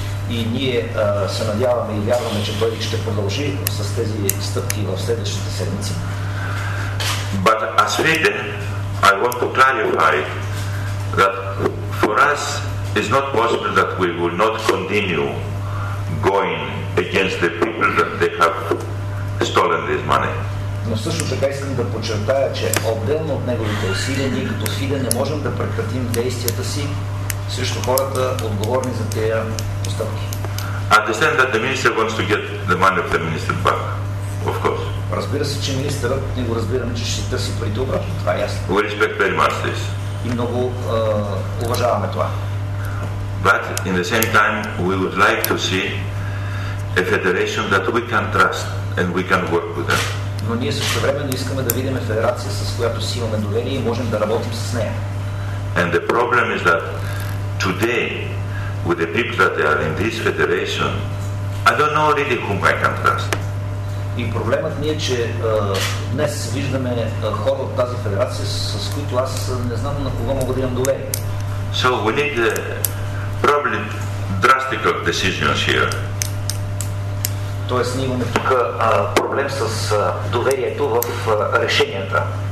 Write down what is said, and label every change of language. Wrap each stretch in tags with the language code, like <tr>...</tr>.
<bg>И ние се надяваме и вярваме, че той ще продължи с тези стъпки в следващите седмици.</bg> <en>But as FIDE, I want to clarify that for us it's not possible that we will not continue going against the people that they have stolen this money.</en> <bg>Но също така искам да подчертая, че отделно от неговите усилия, ние като FIDE не можем да прекратим действията си срещу хората, отговорни за тези постъпки.</bg> <en>Understand that the minister wants to get the money of the minister back, of course.</en> <bg>Разбира се, че министърът, ние го разбираме, че ще търси парите обратно, това е ясно.</bg> <en>We respect very much this.</en> <bg>И много уважаваме това.</bg> <en>But in the same time, we would like to see a federation that we can trust and we can work with them.</en> <bg>Но ние същевременно искаме да видим федерация, с която си имаме доверие и можем да работим с нея.</bg> <en>And the problem is that today, with the people that are in this federation, I don't know really whom I can trust.</en> <bg>И проблемът ни е, че днес виждаме хора от тази федерация, с които аз не знам на кого мога да имам доверие.</bg> <en>So we need probably drastic decisions here.</en> <bg>Тоест, ние имаме тук проблем с доверието в решенията.</bg>